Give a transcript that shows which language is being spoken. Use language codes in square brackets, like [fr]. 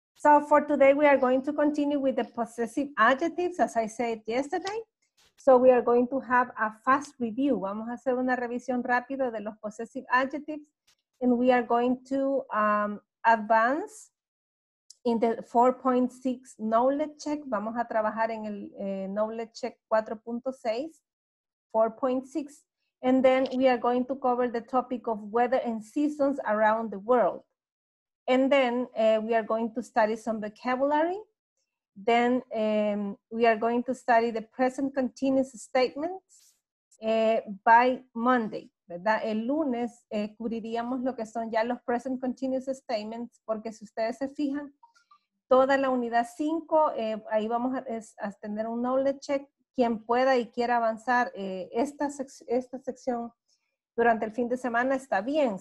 [en] So for today, we are going to continue with the possessive adjectives, as I said yesterday. So we are going to have a fast review. [es] Vamos a hacer una revisión rápida de los possessive adjectives. [en] And we are going to advance in the 4.6 knowledge check. [es] Vamos a trabajar en el knowledge check 4.6, 4.6. [en] And then we are going to cover the topic of weather and seasons around the world. And then we are going to study some vocabulary. Then we are going to study the present continuous statements by Monday, ¿verdad? [es] El lunes cubriríamos lo que son ya los present continuous statements, porque si ustedes se fijan, toda la unidad 5, ahí vamos a tener un knowledge check. Quien pueda y quiera avanzar esta sección durante el fin de semana está bien.